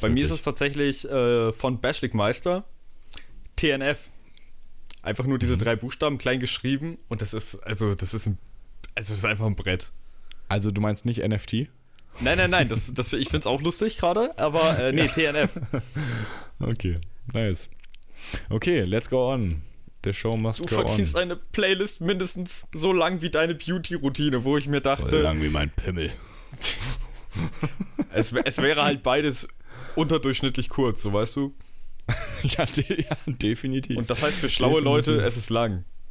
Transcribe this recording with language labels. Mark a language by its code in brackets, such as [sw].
[de] Bei wirklich. Mir ist es tatsächlich von Bashlik Meister, TNF, einfach nur diese drei Buchstaben klein geschrieben und das ist einfach ein Brett. Also du meinst nicht NFT? Nein, das, ich finde es auch lustig gerade, aber TNF. [en] Okay, nice. Okay, let's go on. The show must go on. [de] Du verdienst eine Playlist mindestens so lang wie deine Beauty-Routine, wo ich mir dachte... So lang wie mein Pimmel. es wäre halt beides unterdurchschnittlich kurz, so weißt du? ja, definitiv. Und das heißt für schlaue definitiv. Leute, es ist lang.